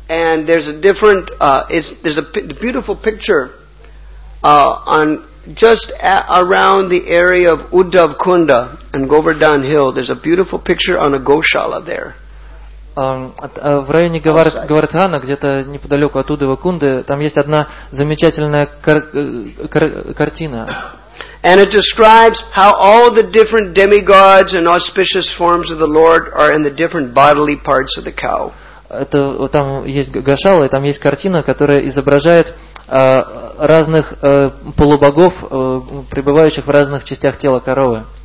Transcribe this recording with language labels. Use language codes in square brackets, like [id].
[en] And there's a different, there's a beautiful picture on. Just around the area of Uddhav Kunda and Govardhan Hill, there's a beautiful picture on a Goshala there. [ru] В районе Говардхана, где-то неподалеку от Уддава Кунды, там есть одна замечательная картина. [en] And it describes how all the different demigods and auspicious forms of the Lord are in the different bodily parts of the cow. [ru] Это там есть Гошала, и там есть картина, которая изображает разных полубогов, пребывающих в разных частях тела коровы.